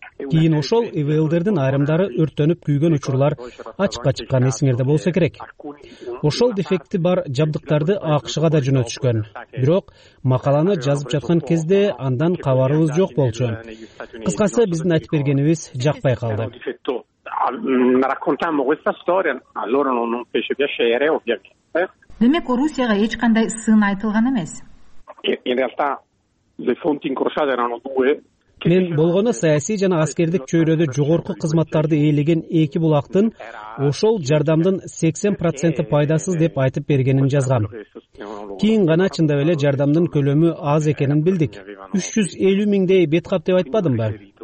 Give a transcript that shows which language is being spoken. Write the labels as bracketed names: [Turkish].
[Kyrgyz] Кийин ошол ИВЛдердин айрымдары өрттөнүп күйгөн учурлар ачыкка чыккан эсиңерде болсо керек. Ошол дефекти бар жабдыктарды АКШга да жөнөтүшкөн. Бирок макаланы жазып жаткан кезде андан кабарыбыз жок болчу. Кыскасы биздин айтып бергенибиз жакпай калды. [Italian] Raccontammo questa storia, allora non fece piacere, ovviamente. [Kyrgyz] Демек, Орусияга эч кандай сын айтылган эмес. [Italian] In realtà le fonti incrociate erano due. [Kyrgyz] Мен болгону саясий жана аскердик чөйрөдө жогорку кызматтарды ээлеген эки булактын ошол жардамдын 80% пайдасыз деп айтып бергенин жазган. Кийин гана чындап эле жардамдын көлөмү аз экенин билдик. 350 миңдей бетқап деп айтпадымбы?